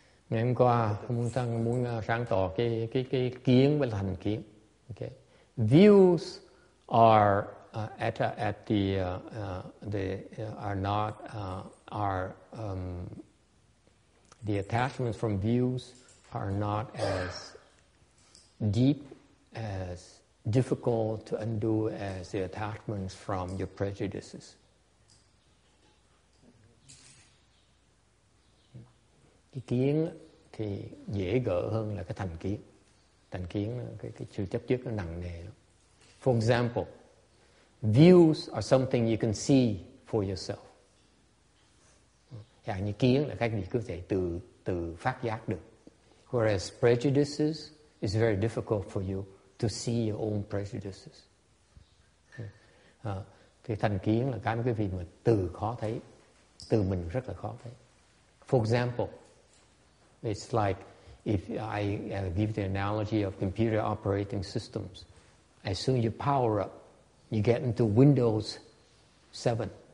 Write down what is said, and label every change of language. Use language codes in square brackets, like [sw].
[vi] Ngày hôm qua muốn sáng tỏ cái kiến với thành kiến. [en] Okay. Views are the attachments from views are not as deep, as difficult to undo as the attachments from your prejudices. [vi] Cái kiến thì dễ gỡ hơn là cái thành kiến. Thành kiến, cái sự chấp trước nó nặng nề lắm. [en] For example, views are something you can see for yourself. [vi] Dạng như kiến là cái gì có thể từ phát giác được. [en] Whereas prejudices is very difficult for you to see your own prejudices. [vi] Thì thành kiến là cái gì mà từ khó thấy, từ mình rất là khó thấy. [en] For example, it's like if I give the analogy of computer operating systems. As soon as you power up, you get into Windows 7.